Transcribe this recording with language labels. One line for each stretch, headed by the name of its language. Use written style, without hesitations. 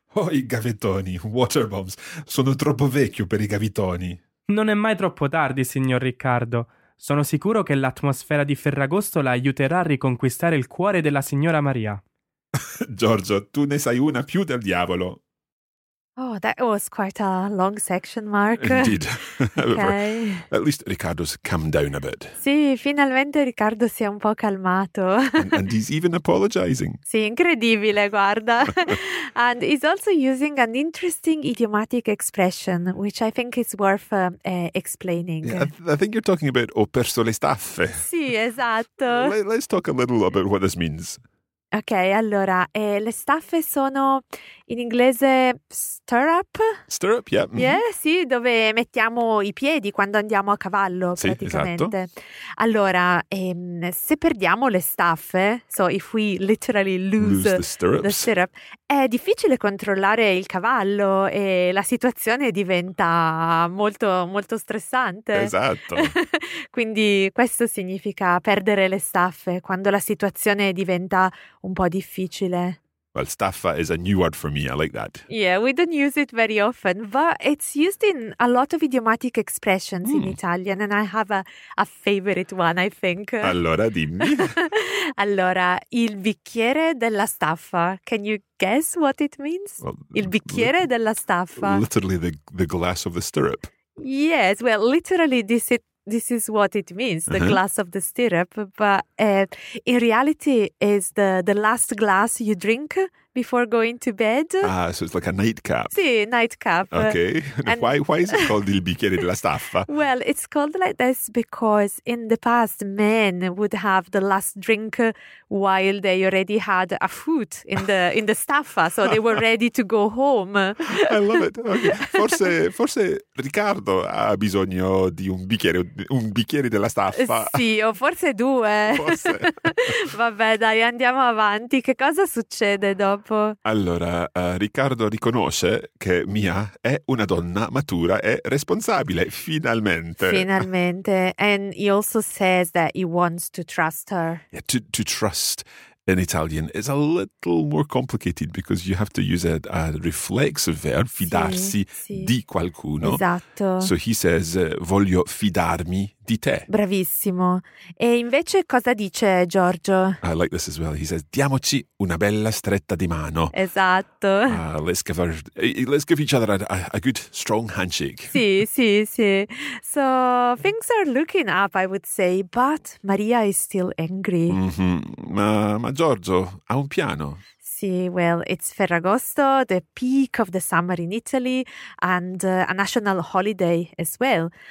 Italian: Oh, i gavettoni,
English: water bombs,
Italian: sono troppo vecchio per i gavettoni. Non è mai troppo tardi, signor Riccardo. Sono sicuro che l'atmosfera di Ferragosto la aiuterà a riconquistare il cuore della signora Maria. Giorgio, tu ne sai una più del diavolo.
English: Oh, that was quite a long section, Mark. Indeed. Okay. At least Riccardo's calmed down a bit.
Italian: Sì, finalmente Riccardo si è un po' calmato.
English: And he's even apologizing.
Italian: Sì, incredibile, guarda.
English: And he's also using an interesting idiomatic expression, which I think is worth explaining. Yeah, I think you're talking about
Italian: ho perso le staffe. Sì, esatto.
English: Let's talk a little about what this means.
Italian: Ok, allora, le staffe sono in inglese stirrup?
English: Stirrup, yeah. Mm-hmm.
Italian: Yeah, sì, dove mettiamo i piedi quando andiamo a cavallo, sì, praticamente. Esatto. Allora, se perdiamo le staffe,
English: so if we literally lose the stirrup,
Italian: è difficile controllare il cavallo e la situazione diventa molto, molto stressante. Esatto. Quindi questo significa perdere le staffe quando la situazione diventa un po' difficile.
English: Well, staffa is a new word for me. I like that. Yeah, we don't use it very often, but it's used in a lot of idiomatic expressions in Italian, and I have a favorite one, I think.
Italian: Allora, dimmi. Allora, il bicchiere della staffa.
English: Can you guess what it means?
Italian: Well, il bicchiere della staffa.
English: Literally the glass of the stirrup. Yes, well, literally this is what it means, the glass of the stirrup, but in reality is the last glass you drink before going to bed. Ah, so it's like a nightcap.
Italian: Sì, nightcap.
English: Okay. And why is it called
Italian: il bicchiere della staffa?
English: Well, it's called like this because in the past men would have the last drink while they already had a foot in the staffa, so they were ready to go home. I love it. Okay.
Italian: Forse Riccardo ha bisogno di un bicchiere della staffa. Sì, o forse due. Forse. Vabbè, dai, andiamo avanti. Che cosa succede dopo? Allora, Riccardo riconosce che Mia è una donna matura e responsabile, finalmente. Finalmente.
English: And he also says that he wants to trust her. Yeah, to trust in Italian is a little more complicated because you have to use a reflexive verb, fidarsi,
Italian: sì, sì, di qualcuno. Esatto.
English: So he says,
Italian: voglio fidarmi di te. Bravissimo. E invece cosa dice Giorgio?
English: I like this as well. He says,
Italian: diamoci una bella stretta di mano. Esatto.
English: Let's give each other a good strong handshake.
Italian: Sì, sì, sì.
English: So things are looking up, I would say, but Maria is still angry.
Italian: Mm-hmm. Ma Giorgio ha un piano.
English: Sì, well, it's Ferragosto, the peak of the summer in Italy, and a national holiday as well.